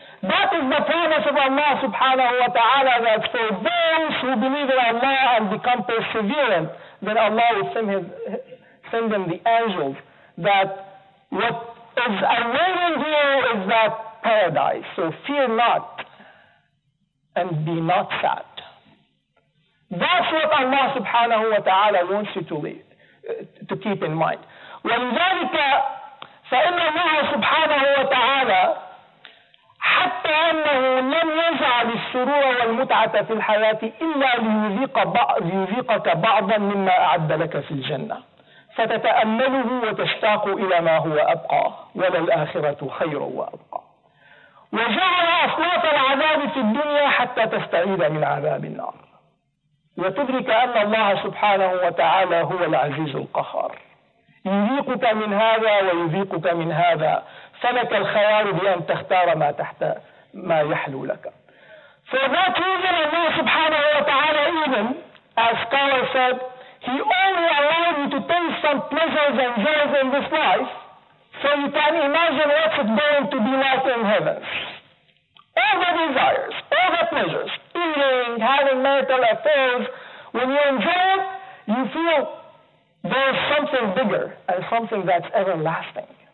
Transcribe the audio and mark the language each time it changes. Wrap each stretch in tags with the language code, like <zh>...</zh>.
<en>That is the promise of Allah subhanahu wa ta'ala, that for those who believe in Allah and become perseverant, then Allah will send them the angels, that what is awaiting you is that paradise. So fear not and be not sad. That's what Allah subhanahu wa ta'ala wants you to keep in mind.</en> <ar>ولذلك فإن الله سبحانه وتعالى حتى أنه لم يجعل السرور والمتعة في الحياة إلا ليذيقك بعضا مما أعد لك في الجنة، فتتأمله وتشتاق إلى ما هو أبقى، وللآخرة خير وأبقى. وجعل أصناف العذاب في الدنيا حتى تستعيد من عذاب النار، وتدرك أن الله سبحانه وتعالى هو العزيز القهار، يذيقك من هذا ويذيقك من هذا، فلك الخيار بأن تختار ما تحت ما يحلو لك.</ar> <en>For that reason, Allah subhanahu wa ta'ala even, as Kala said, He only allowed you to taste some pleasures and joys in this life, so you can imagine what's it going to be like in heaven. All the desires, all the pleasures, eating, having marital affairs, when you enjoy it, you feel there is something bigger and something that's everlasting.</en>